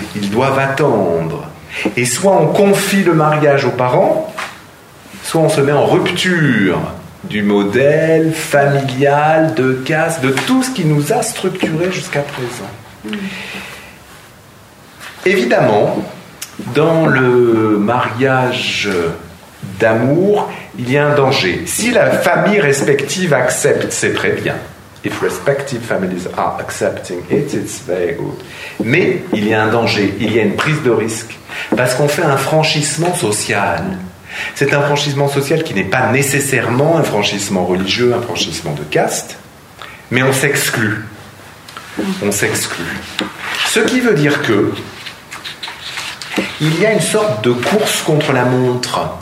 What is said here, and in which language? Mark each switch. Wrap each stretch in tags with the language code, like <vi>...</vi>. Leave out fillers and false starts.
<fr>Ils doivent attendre. Et soit on confie le mariage aux parents, soit on se met en rupture du modèle familial, de caste, de tout ce qui nous a structurés jusqu'à présent. Évidemment, dans le mariage d'amour, il y a un danger. Si la famille respective accepte, c'est très bien.</fr> <en>If respective families are accepting it, it's very good.</en> <fr>Mais il y a un danger, il y a une prise de risque. Parce qu'on fait un franchissement social. C'est un franchissement social qui n'est pas nécessairement un franchissement religieux, un franchissement de caste. Mais on s'exclut. On s'exclut. Ce qui veut dire que il y a une sorte de course contre la montre.</fr>